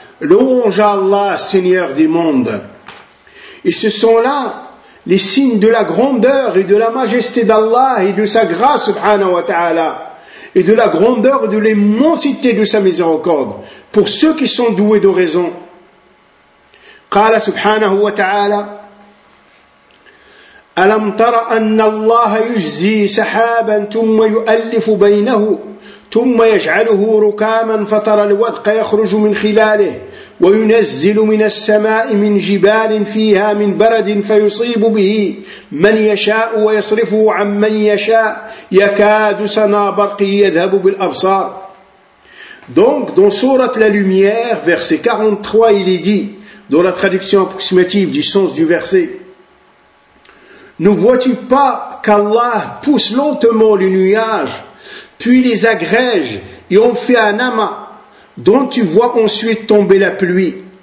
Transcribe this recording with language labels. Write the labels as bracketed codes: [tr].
[fr] Louange à Allah, Seigneur des mondes. Et ce sont là les signes de la grandeur et de la majesté d'Allah et de sa grâce, subhanahu wa ta'ala, et de la grandeur et de l'immensité de sa miséricorde pour ceux qui sont doués de raison. [ar] Qala subhanahu wa ta'ala, ألم تر أن الله يجزي سحابا ثم يؤلف بينه ثم يجعله ركاما فترى الودق يخرج من خلاله وينزل من السماء من جبال فيها من برد فيصيب به من يشاء ويصرفه عن من يشاء يكاد سنا برقه يذهب بالأبصار. [fr] Donc dans Sourat la Lumière, verset 43, il est dit dans la traduction approximative du sens du verset: ne vois-tu pas qu'Allah pousse lentement les nuages, puis les agrège et en fait un amas, dont tu vois ensuite tomber la pluie.